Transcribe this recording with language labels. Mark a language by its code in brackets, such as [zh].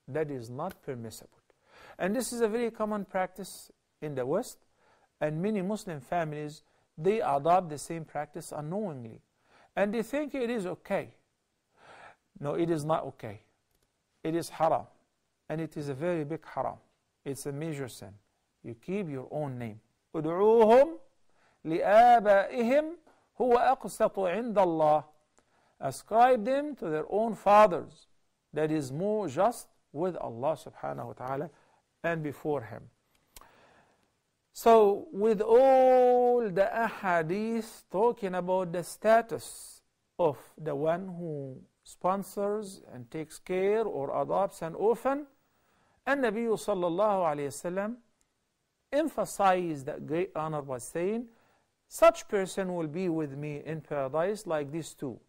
[en] That is not permissible. And this is a very common practice in the West, and many Muslim families, they adopt the same practice unknowingly. And they think it is okay. No, it is not okay. It is haram. And it is a very big haram. It's a major sin. You keep your own name. [ar] ادعوهم لآبائهم هو أقسط عند الله. [en] Ascribe them to their own fathers. That is more just with Allah subhanahu wa ta'ala and before Him. So with all the ahadith talking about the status of the one who sponsors and takes care or adopts an orphan, and Nabi sallallahu alayhi wa sallam emphasized that great honor by saying, such person will be with me in paradise like these two.